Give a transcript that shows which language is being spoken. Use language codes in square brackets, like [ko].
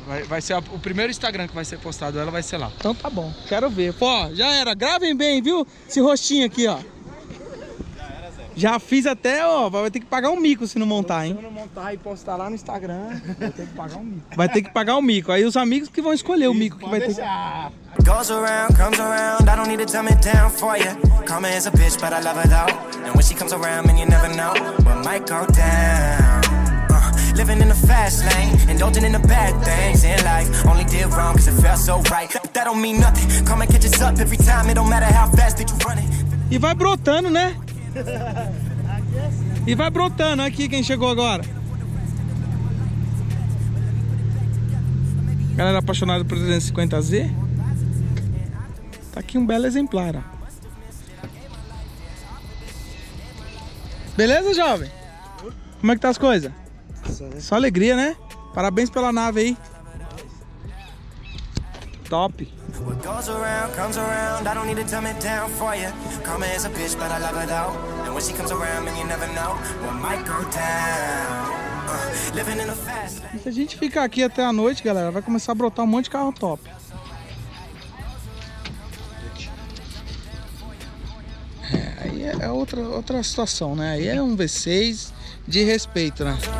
[pt] Vai ser o primeiro Instagram que vai ser postado, ela vai ser lá. Então tá bom. Quero ver. Pô, já era. Gravem bem, viu? Esse rostinho aqui, ó. Já fiz até, ó, vai ter que pagar um mico se não montar, hein? Se eu não montar e postar lá no Instagram, vou ter que pagar um mico. Vai ter que pagar um mico. Aí os amigos que vão escolher o mico que vai ter. [en] Goes around, comes around, I don't need to dumb it down for ya. Karma is a bitch, but I love her though. And when she comes around, man, you never know what might go down. Living in a fast lane, indulging in the bad things in life. Only did wrong cause it felt so right. That don't mean nothing, karma catches up every time. It don't matter how fast that you run it. [pt] E vai brotando, né? E vai brotando. Aqui quem chegou agora. Galera apaixonada por 350Z. Tá aqui um belo exemplar, ó. Beleza, jovem? Como é que tá as coisas? Só alegria, né? Parabéns pela nave aí. Top. [en] What goes around, comes around, I don't need to dumb it down for ya. Karma is a bitch, but I love her though. And when she comes around, man, you never know what might go down. Living in a fast lane. [pt] Se a gente ficar aqui até a noite, galera, vai começar a brotar um monte de carro top. É, aí é outra situação, né? Aí é um V6 de respeito, né?